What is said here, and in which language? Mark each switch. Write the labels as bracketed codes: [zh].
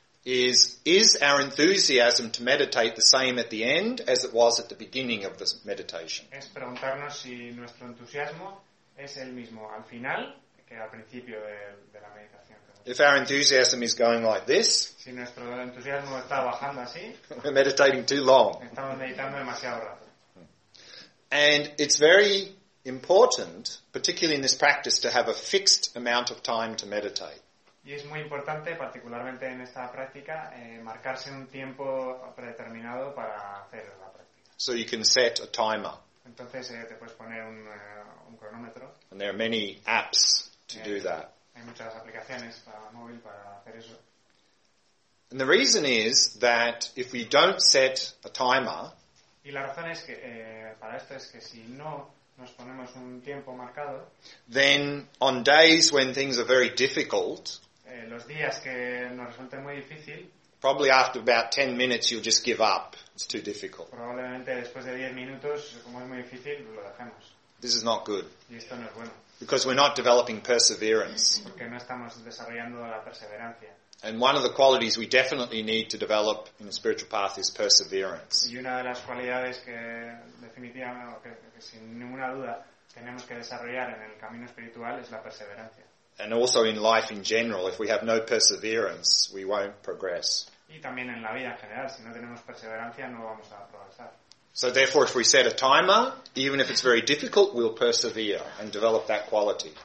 [en] Is our enthusiasm to meditate the same at the end as it was at the beginning of this meditation? [es] Es preguntarnos si nuestro entusiasmo es el mismo al final que al principio de la meditación. [en] If our enthusiasm is going like this, [es] si nuestro entusiasmo está bajando así, [en] we're meditating too long. [es] Estamos meditando demasiado rato. [en] And it's very important, particularly in this practice, to have a fixed amount of time to meditate. [es] Y es muy importante, particularmente en esta práctica, marcarse un tiempo predeterminado para hacer la práctica. [en] So you can set a timer. [es] Entonces te puedes poner un cronómetro. [en] And there are many apps to do that. [es] Hay muchas aplicaciones para móvil para hacer eso. [en] And the reason is that if we don't set a timer. [es] Y la razón es que para esto es que si no nos ponemos un tiempo marcado. [en] Then on days when things are very difficult. [es] Los días que nos resulte muy difícil. [en] Probably after about 10 minutes you'll just give up. It's too difficult. [es] Probablemente después de 10 minutos, como es muy difícil, lo dejemos. [en] This is not good. [es] Y esto no es bueno. [en] Because we're not developing perseverance. [es] Porque no estamos desarrollando la perseverancia. [en] And one of the qualities we definitely need to develop in the spiritual path is perseverance. [es] Y una de las cualidades que definitivamente, que sin ninguna duda, tenemos que desarrollar en el camino espiritual es la perseverancia. [en] And also in life in general, if we have no perseverance, we won't progress. [es] Y también en la vida en general, si no tenemos perseverancia, no vamos a progresar. [en] So therefore, if we set a timer, even if it's very difficult, we'll persevere and develop that quality.